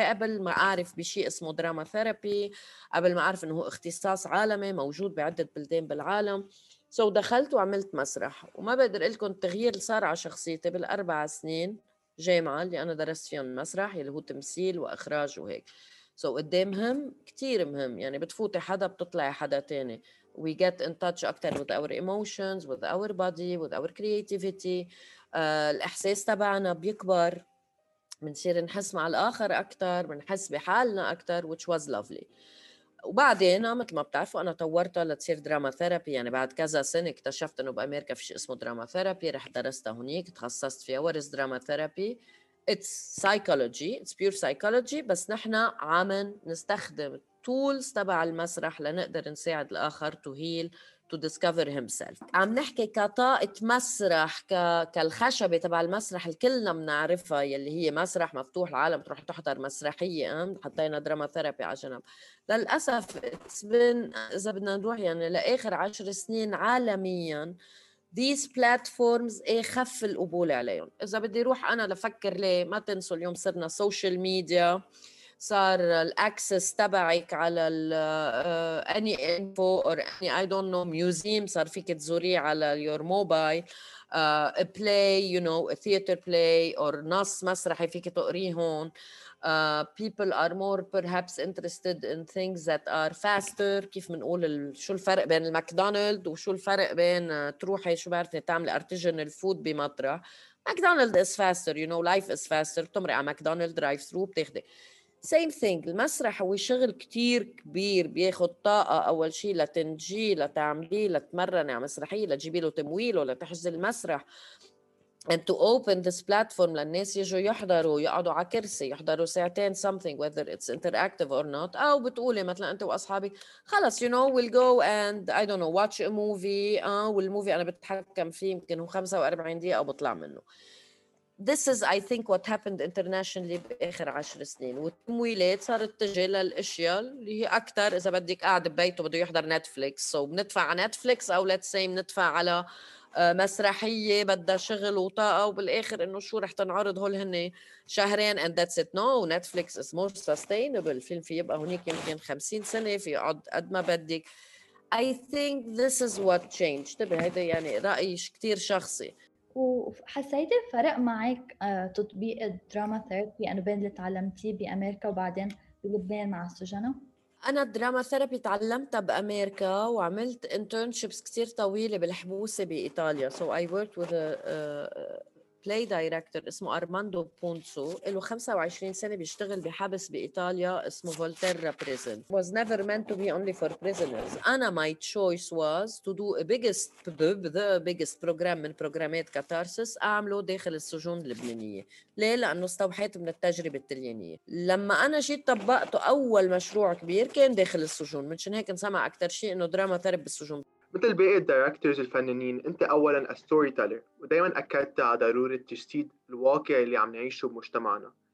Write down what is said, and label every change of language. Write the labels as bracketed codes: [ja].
[ar] هي قبل ما أعرف بشيء اسمه دراما ثيرابي, قبل ما أعرف أنه اختصاص عالمي موجود بعدة بلدين بالعالم. So دخلت وعملت مسرح, وما بقدر لكم التغيير اللي صار على شخصيتي بالأربع سنين جامعة اللي أنا درست فيهم المسرح اللي هو تمثيل وإخراج وهيك. So قدي مهم, كتير مهم, يعني بتفوتي حدا بتطلعي حدا تاني. [en] We get in touch [ar] أكتر [en] with our emotions, with our body, with our creativity. [ar] الإحساس تبعنا بيكبر, منصير نحس مع الآخر أكتر, منحس بحالنا أكتر, [en] which was lovely. [ar] وبعدين مثل ما بتعرفوا أنا طورتها لتصير دراما ثيرابي. يعني بعد كذا سنة اكتشفت أنه بأمريكا في شيء اسمه دراما ثيرابي, رح درستها هنيك, تخصصت فيها. [en] What is drama therapy? It's psychology, it's pure psychology, [ar] بس نحنا عم نستخدم [en] tools [ar] تبع المسرح لنقدر نساعد الآخر [en] to heal, to discover himself. [ar] عم نحكي كطاقة مسرح, كالخشبة تبع المسرح الكلنا منعرفها يلي هي مسرح مفتوح العالم تروح تحضر مسرحية, حطينا دراما ثيرابي على جنب. للأسف [en] it's been, [ar] إذا بدنا نروح يعني لآخر 10 سنين عالمياً, [en] these platforms [ar] أخف القبول عليهم. إذا بدي روح أنا لفكر ليه, ما تنسوا اليوم صرنا [en] social media, [ar] صار الأكسس تبعك على [en] any info or any I don't know museum, [ar] صار فيك تزوري على [en] your mobile, a play, you know, a theater play [ar] or نص مسرحي فيك تقري هون. [en] People are more perhaps interested in things that are faster. [ar] كيف منقول شو الفرق بين المكدونالد وشو الفرق بين تروحي شو بعرفني تعمل artisanal food بمطرح. [en] McDonald is faster, you know, life is faster. [ar] تمرق على مكدونالد drive through بتاخده. [en] Same thing, [ar] المسرح هو شغل كتير كبير بياخد طاقة. أول شيء لتنجي لتعملي لتمرني على مسرحية لتجيبي له تمويله لتحجز المسرح [en] and to open this platform [ar] للناس يجوا يحضروا يقعدوا على كرسي يحضروا ساعتين [en] something whether it's interactive or not. [ar] أو بتقولي مثلا أنت وأصحابي خلص [en] you know we'll go and I don't know watch a movie [ar] والموفي أنا بتحكم فيه يمكن هو 45 دقيقة أو بطلع منه. [en] This is, I think, what happened internationally [ar] بآخر 10 سنين. والتمويلات صارت تجي للأشياء اللي هي أكتر. إذا بدك قاعد ببيته بده يحضر نتفليكس, so بندفع على نتفليكس أو [en] let's say [ar] بندفع على مسرحية بدها شغل وطاقة, وبالآخر إنه شو رح تنعرض هول هني شهرين [en] and that's it. No, Netflix is more sustainable. [ar] الفيلم في يبقى هنيك يمكن 50 سنة, في يقعد قد ما بدك. [en] I think this is what changed. [ar] هذا يعني رأيي كتير شخصي. وحسيت الفرق معك تطبيق الدراما ثيرابي يعني بين اللي تعلمتي بأمريكا وبعدين بلبنان مع السجناء؟ أنا الدراما ثيرابي تعلمتها بأمريكا وعملت internships كتير طويلة بالحبوسة بإيطاليا. [en] So I worked with a play director [ar] اسمه أرماندو بونسو، له 25 سنة بيشتغل بحبس بإيطاليا اسمه فولتيرا prison. [en] Was never meant to be only for prisoners. أنا my choice was to do the biggest program من programmات catharsis [ar] أعمله داخل السجون اللبنانية. ليه؟ لأنه استوحيت من التجربة التليانية. لما أنا جيت طبقته أول مشروع كبير كان داخل السجون، منشان هيك نسمع أكتر شيء إنه دراما ثيرابي بالسجون. مثل باقي الدايركتورز الفنانين، انت اولا ستوري تيلر ودائما اكدت على ضروره تجسيد الواقع اللي عم نعيشه بمجتمعنا.